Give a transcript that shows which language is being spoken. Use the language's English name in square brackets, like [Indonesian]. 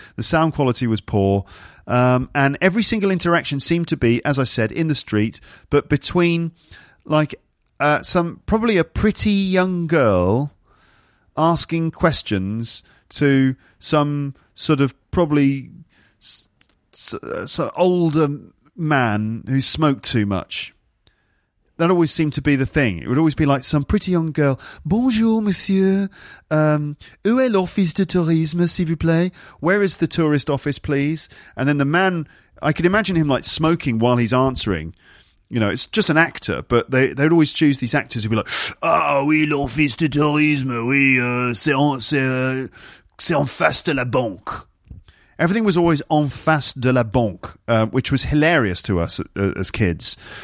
[English] The sound quality was poor, and every single interaction seemed to be, as I said, in the street, but between, like, probably a pretty young girl asking questions to some sort of probably older man who smoked too much. That always seemed to be the thing. It would always be like some pretty young girl. [French] Bonjour, monsieur. Où est l'office de tourisme, s'il vous plaît? [English] Where is the tourist office, please? And then the man, I could imagine him like smoking while he's answering. You know, it's just an actor, but they'd always choose these actors who'd be like, [French] ah, oui, l'office de tourisme, oui, c'est en face de la banque. [English] Everything was always [French] en face de la banque, [English] which was hilarious to us as kids.